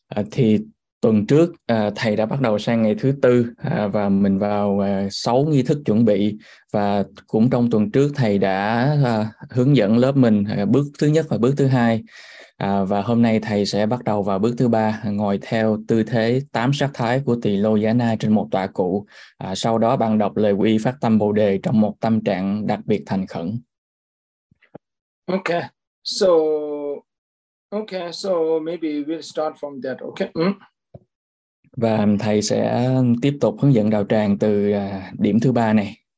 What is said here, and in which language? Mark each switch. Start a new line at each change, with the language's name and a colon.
Vietnamese: Thì tuần trước thầy đã bắt đầu sang ngày thứ tư và mình vào 6 nghi thức chuẩn bị, và cũng trong tuần trước thầy đã hướng dẫn lớp mình bước thứ nhất và bước thứ hai, và hôm nay thầy sẽ bắt đầu vào bước thứ ba, ngồi theo tư thế tám sắc thái của Tỳ Lô Giá Na trên một tọa cụ, sau đó bạn đọc lời quy phát tâm Bồ Đề trong một tâm trạng đặc biệt thành khẩn.
English: Okay, so okay, so maybe we'll start from that. Okay. Mm.
Vietnamese: Và thầy sẽ tiếp tục hướng dẫn đạo tràng từ điểm thứ ba này.